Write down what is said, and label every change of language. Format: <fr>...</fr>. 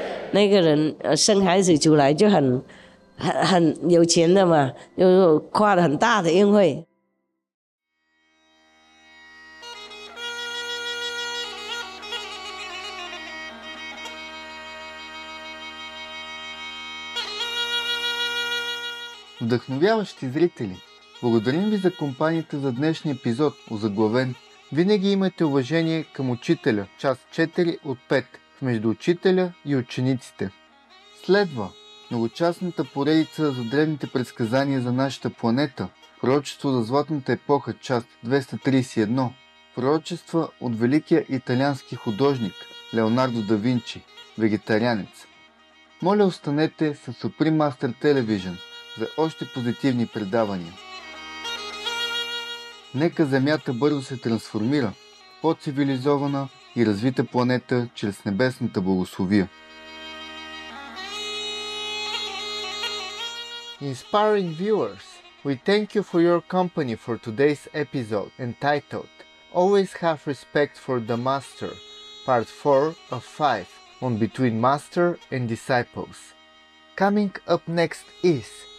<zh>那个人生孩子出来就很有钱的嘛，就是跨了很大的宴会。</zh> <bg>Вдъхновяващи зрители, благодарим ви за компанията за днешния епизод, озаглавен. Винаги имайте уважение към учителя, част 4 от 5. Между учителя и учениците. Следва многочастната поредица за древните предсказания за нашата планета, пророчество за Златната епоха, част 231, пророчества от великия италиански художник Леонардо да Винчи, вегетарианец. Моля, останете с Supreme Master Television за още позитивни предавания. Нека Земята бързо се трансформира в по-цивилизована и развита планета чрез небесната благословия.</bg> <en>Inspiring viewers, we thank you for your company for today's episode entitled Always Have Respect for the Master, Part 4 of 5 on Between Master and Disciples. Coming up next is</en>